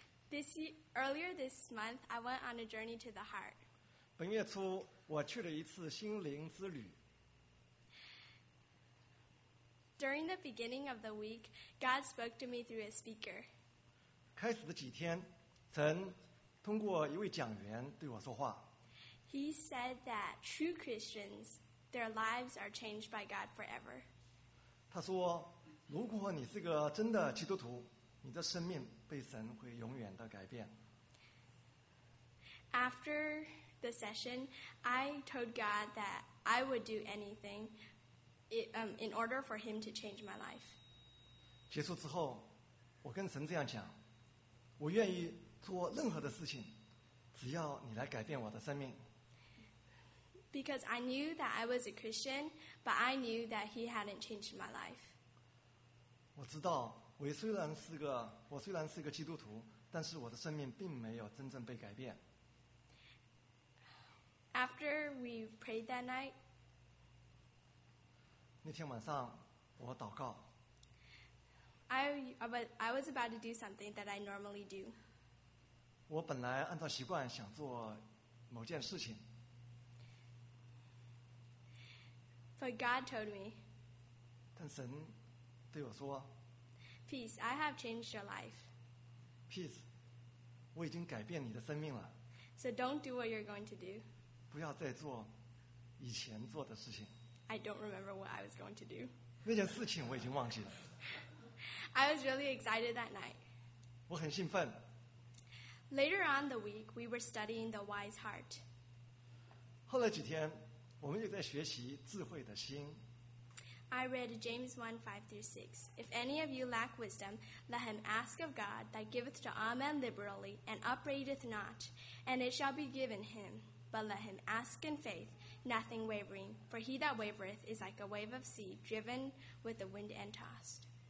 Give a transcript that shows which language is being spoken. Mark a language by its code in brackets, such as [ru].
[en] Earlier this month, I went on a journey to the heart. [zh] 本月初，我去了一次心灵之旅。 [en] During the beginning of the week, God spoke to me through a speaker. [zh] 开始的几天，神通过一位讲员对我说话。 [en] He said that true Christians, their lives are changed by God forever. [zh] 他说，如果你是个真的基督徒，你的生命被神会永远的改变。 [en] After the session, I told God that I would do anything in order for Him to change my life. [zh] 结束之后，我跟神这样讲，我愿意做任何的事情，只要你来改变我的生命。 [en] Because I knew that I was a Christian, but I knew that He hadn't changed my life. [zh] 我知道，我虽然是个基督徒，但是我的生命并没有真正被改变。 [en] After we prayed that night, [zh] 那天晚上我祷告。 [en] I was about to do something that I normally do. [zh] 我本来按照习惯想做某件事情。 [en] But God told me. [zh] 但神对我说， [en] Peace, I have changed your life. [zh] Peace, 我已经改变你的生命了。 [en] So don't do what you're going to do. [zh] 不要再做以前做的事情。 [en] I don't remember what I was going to do. [zh] 那件事情我已经忘记了。 [en] I was really excited that night. [zh] 我很兴奋。 [en] Later on the week, we were studying the wise heart. [zh] 后来几天我们又在学习智慧的心。 [en] I read James 1:5-6. If any of you lack wisdom, let him ask of God, that giveth to all men liberally, and upbraideth not, and it shall be given him. But let him ask in faith, nothing wavering. For he that wavereth is like a wave of sea, driven with the wind and tossed.